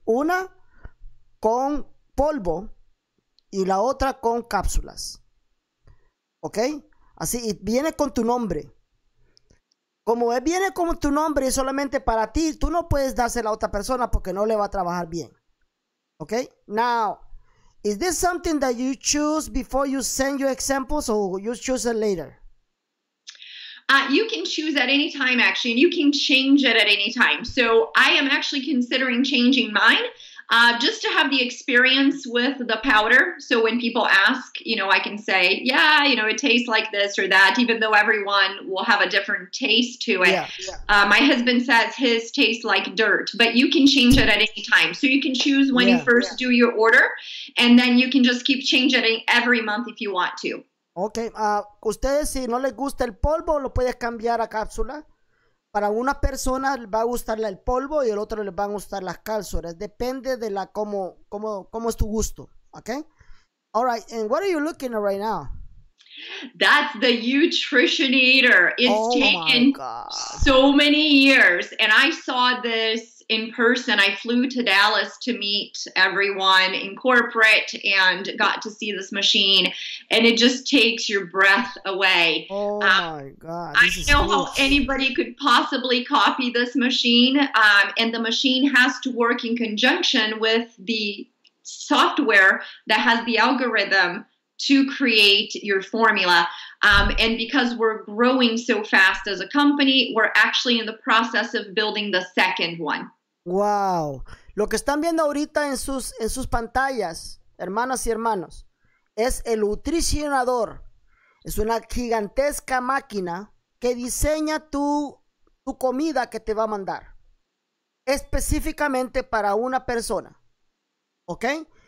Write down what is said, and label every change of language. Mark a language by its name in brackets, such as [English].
[Spanish] Una con polvo y la otra con cápsulas. Okay. Así, y viene con tu nombre. Como viene con tu nombre y solamente para ti, tú no puedes dársela a otra persona porque no le va a trabajar bien. Okay? Now, [English] Is this something that you choose before you send your examples, or you choose it later? You can choose at any time, actually, and you can change it at any time. So I am actually considering changing mine just to have the experience with the powder. So when people ask, you know, I can say, yeah, you know, it tastes like this or that, even though everyone will have a different taste to it. Yeah. My husband says his tastes like dirt, but you can change it at any time. So you can choose when you first do your order, and then you can just keep changing every month if you want to. [Spanish] Ok, ustedes, si no les gusta el polvo, lo puedes cambiar a cápsula. Para una persona les va a gustar el polvo y el otro les van a gustar las cápsulas. Depende de la cómo es tu gusto. Ok. [English] All right, and what are you looking at right now? That's the Uforiator. It's taken so many years. And I saw this in person. I flew to Dallas to meet everyone in corporate and got to see this machine. And it just takes your breath away. I don't know how anybody could possibly copy this machine. And the machine has to work in conjunction with the software that has the algorithm to create your formula. And because we're growing so fast as a company, we're actually in the process of building the second one. Wow. [Spanish] Lo que están viendo ahorita en sus pantallas, hermanas y hermanos, es el Uforiator. Es una gigantesca máquina que diseña tu comida que te va a mandar específicamente para una persona. ¿Okay?